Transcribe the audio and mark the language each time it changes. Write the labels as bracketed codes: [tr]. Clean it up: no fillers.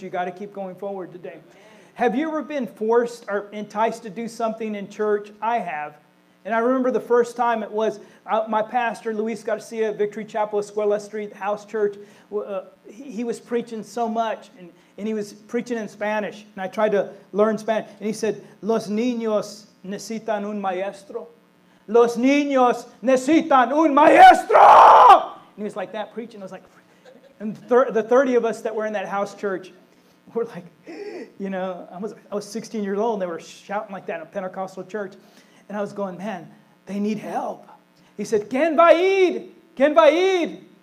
[en] You got to keep going forward today. Have you ever been forced or enticed to do something in church? I have. And I remember the first time it was my pastor, Luis Garcia, Victory Chapel, Escuela Street, House Church. He was preaching so much, and he was preaching in Spanish. And I tried to learn Spanish. And he said, [es] los niños necesitan un maestro. Los niños necesitan un maestro. [en] And he was like that preaching. I was like, and the 30 of us that were in that house church, were like, you know, I was 16 years old. And they were shouting like that in a Pentecostal church. And I was going, man, they need help. He said, [es] ¿Quién va a ir? [en] ¿Quién va a ir?